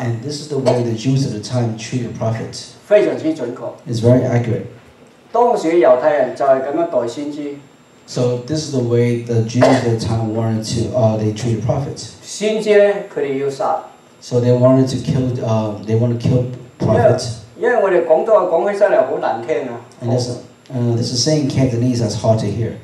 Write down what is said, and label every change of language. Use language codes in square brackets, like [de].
[en] And this is the way the Jews at the time treated prophets. [yue] 非常之準確。 [en] It's very accurate. [yue] 當時嘅猶太人就係咁樣待先知。 [en] So this is the way the Jews at the time wanted to they treated prophets. [yue] 先知咧佢哋要殺。 [en] So they wanted to kill. They want to kill prophets. Because we're saying Cantonese, that's hard to hear.